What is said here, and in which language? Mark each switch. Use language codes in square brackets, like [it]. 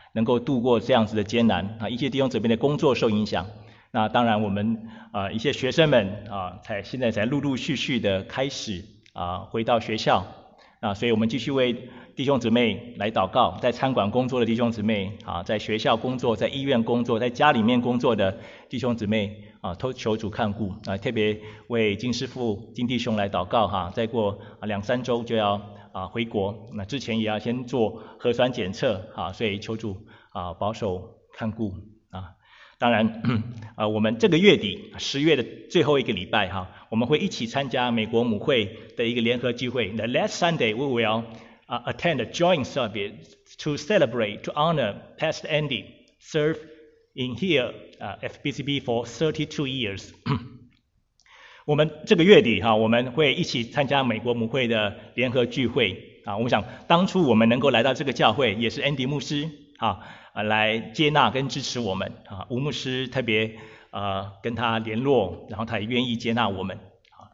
[zh] 能够度过这样子的艰难啊，一些弟兄姊妹的工作受影响，那当然我们一些学生们啊，现在才陆陆续续的开始啊回到学校啊，所以我们继续为弟兄姊妹来祷告，在餐馆工作的弟兄姊妹啊，在学校工作，在医院工作，在家里面工作的弟兄姊妹啊，都求主看顾啊，特别为金师父、金弟兄来祷告哈、啊，再过2-3周就要。回国，那之前也要先做核酸检测啊，所以求主啊保守看顾啊。当然啊，我们这个月底10月的最后一个礼拜哈、啊，我们会一起参加美国母会的一个联合聚会。 [en] The last Sunday we will attend a joint service to celebrate to honor Pastor Andy serve in here FBCB for 32 years. [zh] 我们这个月底哈，我们会一起参加美国牧会的联合聚会啊。我想当初我们能够来到这个教会，也是安迪牧师啊来接纳跟支持我们啊。吴牧师特别跟他联络，然后他也愿意接纳我们啊。